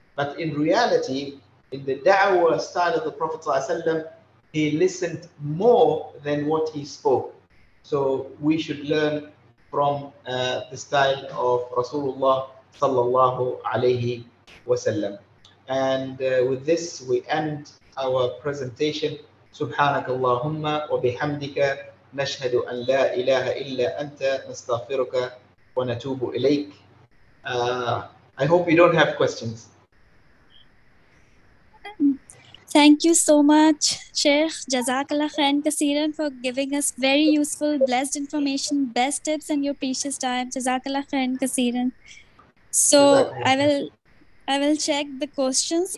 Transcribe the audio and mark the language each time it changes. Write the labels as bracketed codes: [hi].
[en] But in reality, in the da'wah style of the Prophet ﷺ, he listened more than what he spoke. So we should learn from the style of Rasulullah sallallahu alayhi wasallam. And with this, we end our presentation. [ar] سبحانك اللهم وبحمدك نشهد أن لا إله إلا أنت نستغفرك ونتوب إليك. [en] I hope you don't have questions. Thank you so much, Sheikh. Jazakallah khairan kaseeran for giving us very useful, blessed information, best tips, and your precious time. Jazakallah khairan kaseeran. So I will check the questions.